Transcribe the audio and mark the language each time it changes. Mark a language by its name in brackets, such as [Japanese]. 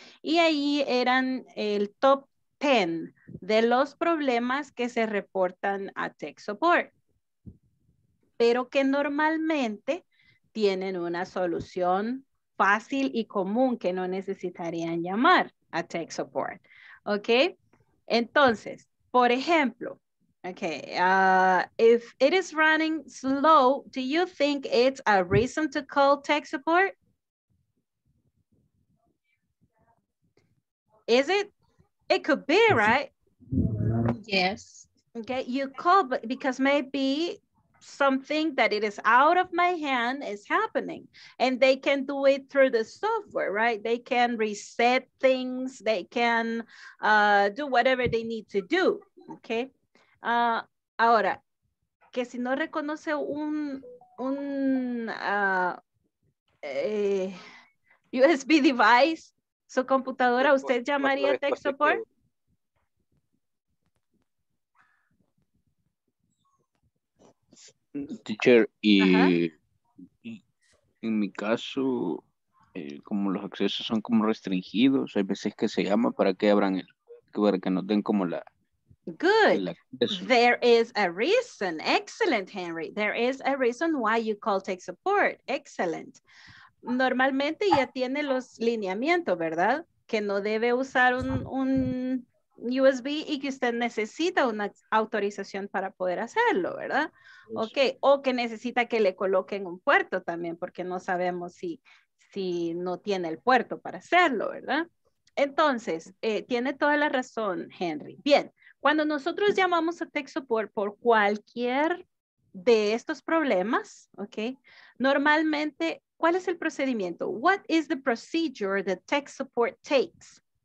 [Spanish] Y ahí eran el top 10 de los problemas que se reportan a Tech Support, pero que normalmente tienen una solución fácil y común que no necesitarían llamar a Tech Support, ¿ok? Entonces, por ejemplo, [English] okay, if it is running slow, do you think it's a reason to call tech support? Is it? It could be, right? Yes. Okay, you call because maybe something that it is out of my hand is happening and they can do it through the software, right? They can reset things, they can do whatever they need to do, okay? [Spanish] Ahora, que si no reconoce un USB device, su computadora, ¿usted llamaría tech support? Teacher, y en mi caso, como los accesos son como restringidos, hay veces que se llama para que nos den como la... [English] Good. There is a reason. Excellent, Henry. There is a reason why you call tech support. [Spanish] Excellent. Normalmente ya tiene los lineamientos, ¿verdad? Que no debe usar un USB y que usted necesita una autorización para poder hacerlo, ¿verdad? Ok. O que necesita que le coloquen un puerto también porque no sabemos si no tiene el puerto para hacerlo, ¿verdad? Entonces, tiene toda la razón, Henry. Bien. Cuando nosotros llamamos a Tech Support por cualquier de estos problemas, ¿ok? Normalmente, ¿cuál es el procedimiento? [English] What is the procedure that tech support takes?